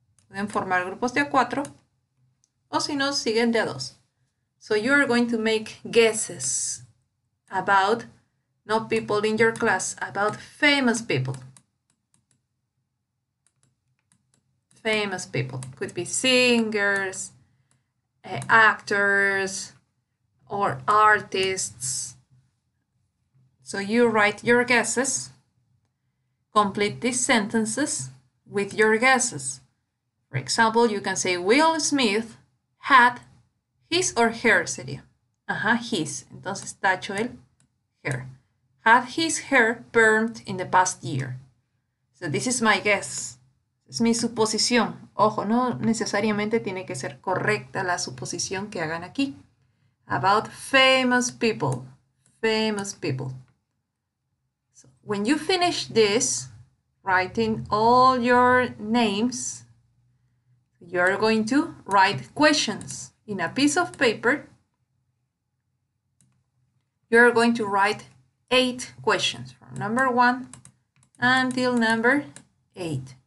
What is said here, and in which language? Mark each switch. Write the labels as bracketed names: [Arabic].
[Spanish] Pueden formar grupos de cuatro, o si no, siguen de dos. [English] So you are going to make guesses about not people in your class, about famous people. Famous people. Could be singers, actors, or artists. So you write your guesses. Complete these sentences with your guesses. For example, you can say Will Smith had his or her sería. His. [Spanish] Entonces tacho el her. [English] Had his hair permed in the past year. So this is my guess. [Spanish] Es mi suposición. Ojo, no necesariamente tiene que ser correcta la suposición que hagan aquí. [English] About famous people. Famous people. So when you finish this, writing all your names, you're going to write questions in a piece of paper. You're going to write 8 questions from number 1 until number 8.